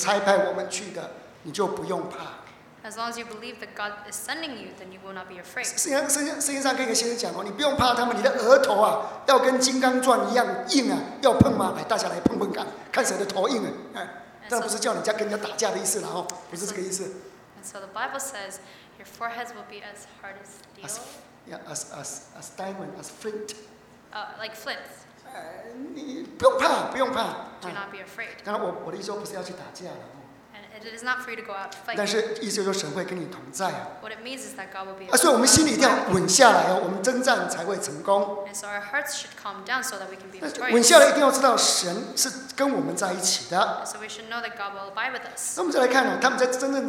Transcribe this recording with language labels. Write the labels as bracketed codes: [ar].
[zh] 可是你不用怕，不用怕，因为真的，你只要相信这个是神差派我们去的，你就不用怕。 [en] As long as you believe that God is sending you, then you will not be afraid. [zh] 圣经上可以跟你讲哦，你不用怕他们，你的额头啊，要跟金刚钻一样硬啊，要碰嘛，来，大家来碰碰看，看谁的头硬啊。当然不是叫人家跟人家打架的意思了哦，不是这个意思。 [en] And so the Bible says your foreheads will be as hard as steel. As diamond, as flint. Like flint. [zh] 你不用怕。 [en] Do not be afraid. [zh] 当然我的意思不是要去打架了。 [en] And it is not for you to go out to fight. [zh] 但是意思就是神会跟你同在。 [en] What it means is that God will be. [zh] 所以我们心里一定要稳下来哦，我们征战才会成功。 [en] And so our hearts should calm down so that we can be victorious. [zh] 稳下来一定要知道神是跟我们在一起的。 [en] So we should know that God will abide with us.